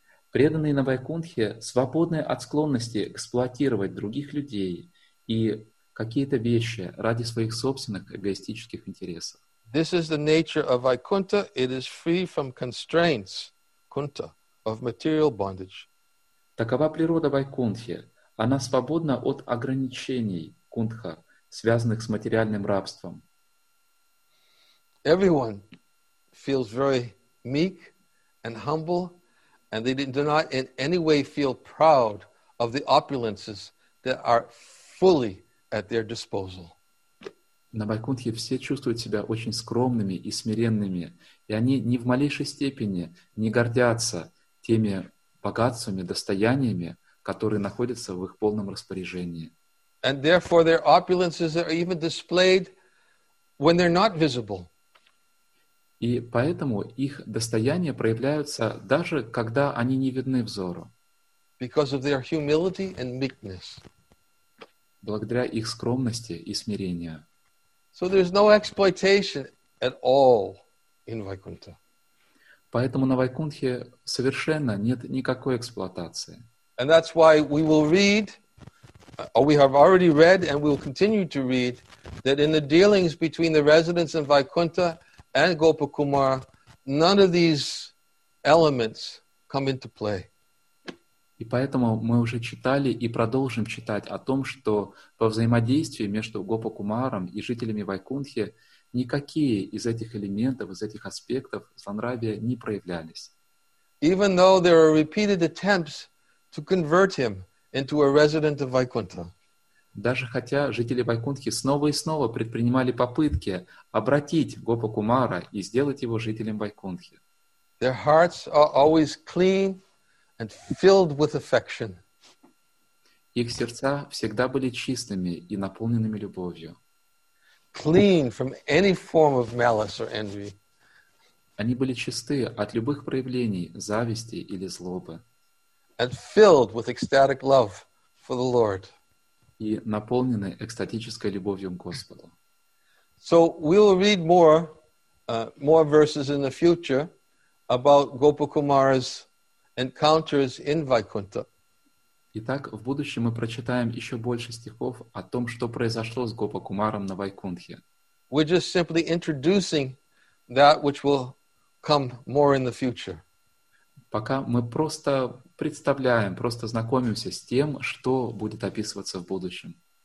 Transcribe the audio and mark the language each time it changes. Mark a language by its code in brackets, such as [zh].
[ru] Преданные на Вайкунтхе свободны от склонности эксплуатировать других людей и какие-то вещи ради своих собственных эгоистических интересов. [en] This is the nature of Vaikuntha. It is free from constraints, Kunta, of material bondage. [ru] Такова природа Вайкунтхи. Она свободна от ограничений, Кунтха, связанных с материальным рабством. [en] Everyone feels very meek and humble, and they do not in any way feel proud of the opulences that are fully at their disposal. [ru] На Вайкунтхе все чувствуют себя очень скромными и смиренными, и они ни в малейшей степени не гордятся теми богатствами, достояниями, которые находятся в их полном распоряжении. [en] And therefore their opulences are even displayed when they're not visible. [ru] И поэтому их достояния проявляются даже когда они не видны взору. [en] Because of their humility and meekness. [ru] Благодаря их скромности и смирению. [en] So there's no exploitation at all in Vaikuntha. [ru] Поэтому на Вайкунтхе совершенно нет никакой эксплуатации. [en] And that's why we will read, or we have already read and will continue to read, that in the dealings between the residents in Vaikuntha and Gopakumara, none of these elements come into play. [ru] И поэтому мы уже читали и продолжим читать о том, что во взаимодействии между Гопакумаром и жителями Вайкунтхи никакие из этих элементов, из этих аспектов злонравия не проявлялись. [en] Even though there are repeated attempts to convert him into a resident of Vaikuntha. [ru] Даже хотя жители Вайкунтхи снова и снова предпринимали попытки обратить Гопакумара и сделать его жителем Вайкунтхи. [en] Their hearts are always clean and filled with affection. [ru] Их сердца всегда были чистыми и наполненными любовью. [en] Clean from any form of malice or envy. [ru] Они были чисты от любых проявлений зависти или злобы. [en] And filled with ecstatic love for the Lord. [ru] И наполнены экстатической любовью к Господу. [en] So we will read more verses in the future about Gopakumara's encounters in Vaikuntha. [ru] Итак, в будущем мы прочитаем еще больше стихов о том, что произошло с Гопакумаром на Вайкунтхе. [en] We're just simply introducing that which will come more in the future. [ru] Пока мы просто представляем, просто знакомимся с тем, что будет описываться в будущем.